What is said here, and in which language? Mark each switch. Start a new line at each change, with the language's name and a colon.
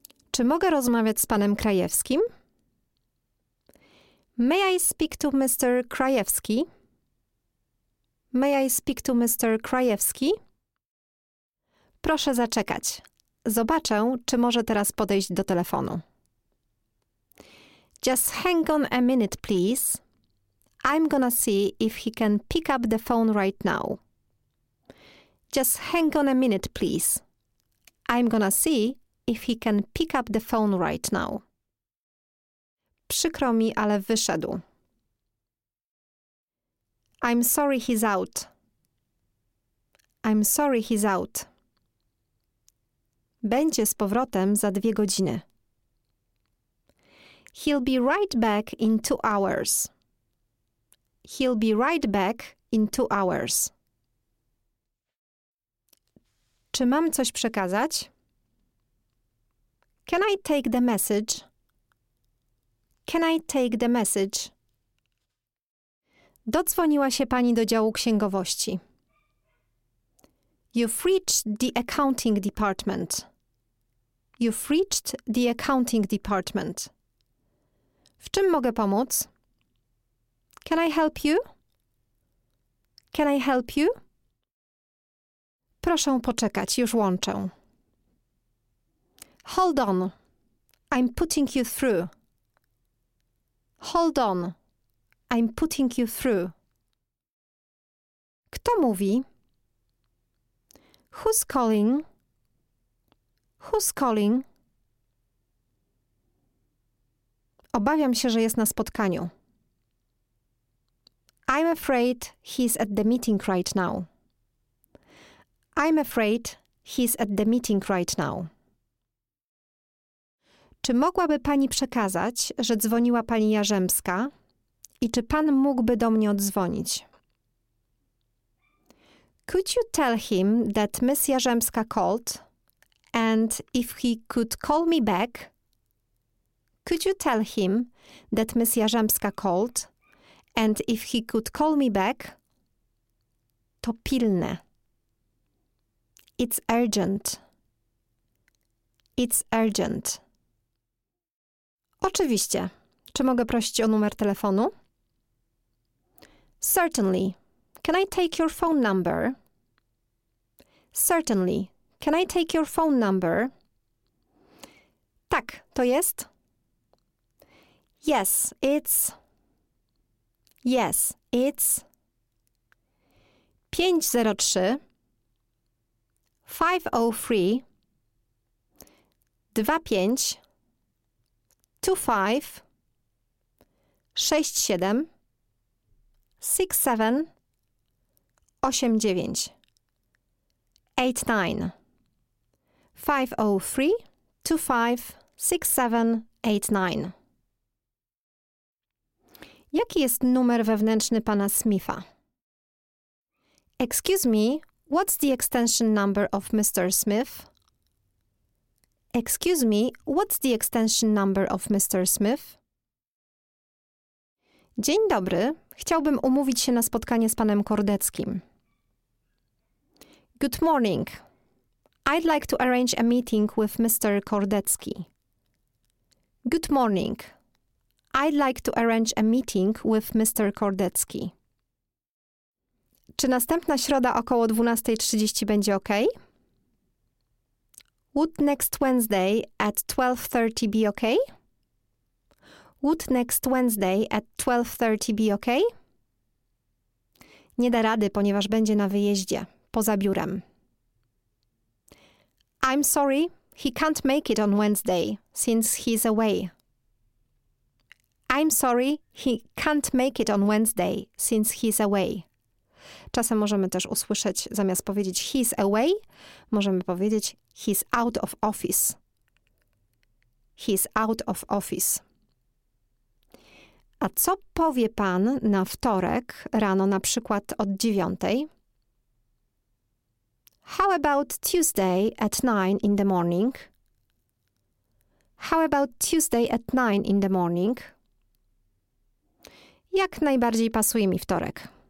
Polish: Czy mogę rozmawiać z panem Krajewskim?
English: May I speak to Mr. Krajewski? May I speak to Mr. Krajewski?
Polish: Proszę zaczekać. Zobaczę, czy może teraz podejść do telefonu.
English: Just hang on a minute, please. I'm gonna see if he can pick up the phone right now. Just hang on a minute, please. I'm gonna see if he can pick up the phone right now.
Polish: Przykro mi, ale wyszedł.
English: I'm sorry he's out. I'm sorry he's out.
Polish: Będzie z powrotem za 2 godziny.
English: He'll be right back in 2 hours. He'll be right back in 2 hours.
Polish: Czy mam coś przekazać?
English: Can I take the message? Can I take the message?
Polish: Dodzwoniła się pani do działu księgowości.
English: You've reached the accounting department. You've reached the accounting department.
Polish: W czym mogę pomóc?
English: Can I help you? Can I help you?
Polish: Proszę poczekać, już łączę.
English: Hold on. I'm putting you through. Hold on. I'm putting you through.
Polish: Kto mówi?
English: Who's calling? Who's calling?
Polish: Obawiam się, że jest na spotkaniu.
English: I'm afraid he's at the meeting right now. I'm afraid he's at the meeting right now.
Polish: Czy mogłaby pani przekazać, że dzwoniła pani Jarzębska i czy pan mógłby do mnie odzwonić?
English: Could you tell him that Miss Jarzębska called and if he could call me back? Could you tell him that Miss Jarzębska called and if he could call me back?
Polish: To pilne.
English: It's urgent. It's urgent.
Polish: Oczywiście. Czy mogę prosić o numer telefonu?
English: Certainly. Can I take your phone number? Certainly. Can I take your phone number?
Polish: Tak, to jest?
English: Yes, it's... Yes, it's... 503... 503... 25... 25, 67, 67, 89, 89, 503, 25, 67, 89.
Polish: Jaki jest numer wewnętrzny pana Smitha?
English: Excuse me, what's the extension number of Mr. Smith? Excuse me, what's the extension number of Mr. Smith?
Polish: Dzień dobry, chciałbym umówić się na spotkanie z panem Kordeckim.
English: Good morning. I'd like to arrange a meeting with Mr. Kordecki. Good morning. I'd like to arrange a meeting with Mr. Kordecki.
Polish: Czy następna środa około 12:30 będzie OK?
English: Would next Wednesday at 12:30 be okay? Would next Wednesday at 12:30 be okay?
Polish: nie da rady, ponieważ będzie na wyjeździe, poza biurem.
English: I'm sorry, he can't make it on Wednesday, since he's away. I'm sorry, he can't make it on Wednesday, since he's away.
Polish: Czasem możemy też usłyszeć, zamiast powiedzieć
English: he's away,
Polish: możemy powiedzieć
English: he's out of office. He's out of office.
Polish: A co powie pan na wtorek rano, na przykład od 9?
English: How about Tuesday at 9 in the morning? How about Tuesday at 9 in the morning?
Polish: Jak najbardziej pasuje mi wtorek.